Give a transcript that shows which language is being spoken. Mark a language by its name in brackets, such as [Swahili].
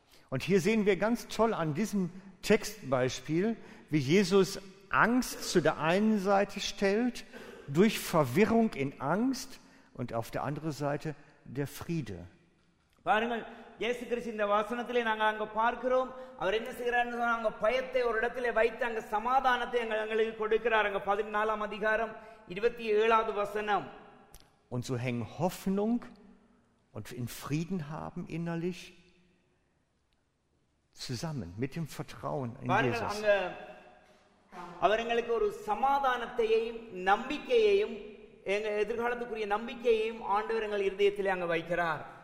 [German] Und hier sehen wir ganz toll an diesem Textbeispiel, wie Jesus Angst zu der einen Seite stellt, durch Verwirrung in Angst, und auf der anderen Seite der Friede. [Tamil] பாருங்கள் இயேசு கிறிஸ்து இந்த வசனத்திலே நாங்க அங்க பார்க்கிறோம். அவர் என்ன செய்கிறார்? அங்க பயத்தை ஒரு இடத்திலே வைத்து அங்க சமாதானத்தை எங்களுக்கு கொடுக்கிறார். அங்க 14:27 வசனம். [German] Und so hängen Hoffnung und in Frieden haben innerlich zusammen mit dem Vertrauen in Jesus. [Tamil] அவர் எங்களுக்கு ஒரு சமாதானத்தையும் நம்பிக்கையையும் எங்க எதிர்காலத்துக்குரிய நம்பிக்கையையும் ஆண்டவர் எங்கள் இருதயத்திலே அங்க வைக்கிறார்.